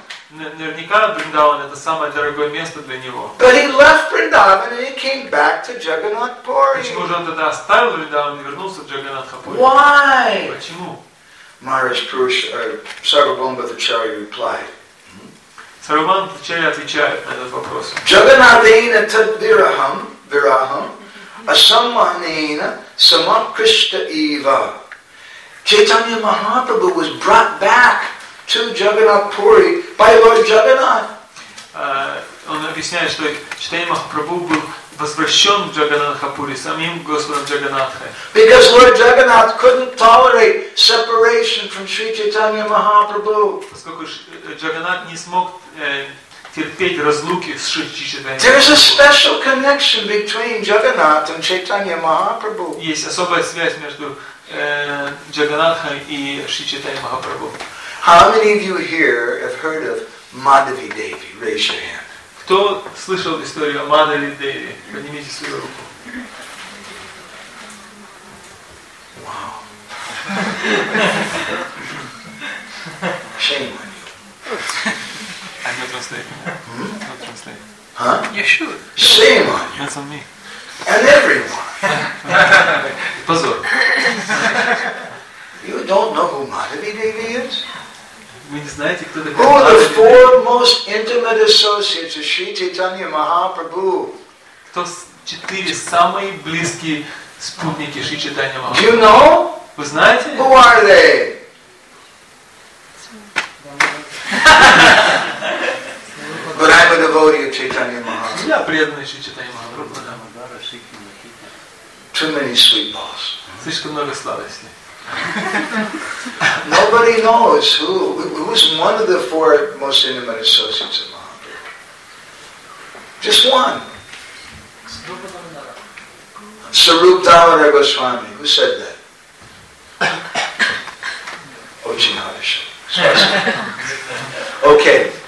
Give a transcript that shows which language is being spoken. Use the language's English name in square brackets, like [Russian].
[Russian] Наверняка Бриндаван это самое дорогое место для него. [English] But he left Vrindavan and he came back to Jagannath Puri. [Russian] Почему же он тогда оставил Бриндаван и вернулся в Джаганнатх Пури? [English] Why? [Russian] Почему? [English] Maharaj Purush, Sarvabhauma Bhattacharya replied. [Russian] Саруман вначале отвечает на этот вопрос. [Sanskrit] Джаганадейна тадвирахам вирахам асаммахнейна самакришта ива. [English] Чайтанья Махапрабху was brought back to Jagannath Puri by Lord Jagannath. [Russian] Он объясняет, что Чайтанья Махапрабху был возвращен в Джаганатхапури самим Господом Джаганатхой. [English] Because Lord Jagannath couldn't tolerate separation from Sri Chaitanya Mahaprabhu. [Russian] Поскольку Джаганат не смог терпеть разлуки с Шри Чайтанья. [English] There is a special connection between Jagannath and Chaitanya Mahaprabhu. [Russian] Есть особая связь между Джаганатхой и Шри Чайтанья Махапрабху. [English] How many of you here have heard of Madhavi Devi? Raise your hand. [Russian] Кто слышал историю о Мадхави Деви? Поднимите свою руку. [English] Wow. Shame on you. I'm not translating. Not translating. Huh? Yeah, sure. Shame on you. That's on me. And everyone. [Russian] Позор. [English] You don't know who Madhavi Devi is? [Russian] Вы не знаете, кто такой Мадхави Деви? [English] Who are the four most intimate associates of Sri Chaitanya Mahaprabhu? [Russian] Кто четыре самые близкие спутники Шри Чайтанья Махапрабху? [English] Do you know? [Russian] Вы знаете? [English] Who are they? But I'm a devotee of Chaitanya Mahaprabhu. [Russian] Я преданный Шри Чайтанья Махапрабху. [English] Too many sweet balls. [Russian] Слишком много сладостей. [English] Nobody knows who. Who's one of the four most intimate associates of Mahaprabhu? Just one. Sarup Damodar Goswami. Who said that? Ojinadish. Okay.